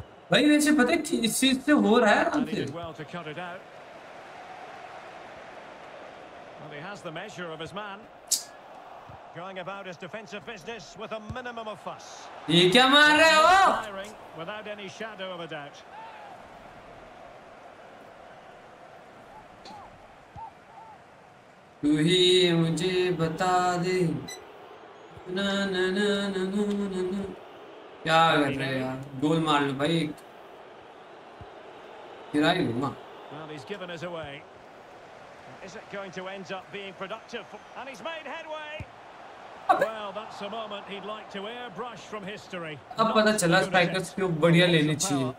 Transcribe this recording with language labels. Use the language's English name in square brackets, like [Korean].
[Hindi] भाई, वैसे पता है इस चीज से हो रहा है आराम से। [English] He has the measure of his man, going about his defensive business with a minimum of fuss. [Hindi] ये क्या मार रहे हो? [English] Without any shadow of a doubt. [Hindi] तू ही मुझे बता दे. Na na na na na na na. क्या कर रहे हैं यार? गोल मार लो भाई. किराये घुमा. [English] Well, he's given us away. Is it going to end up being productive? And he's made headway. Well, that's a moment he'd like to airbrush from history. [Hindi] अब पता चला स्ट्राइकर्स को बढ़िया लेने चाहिए।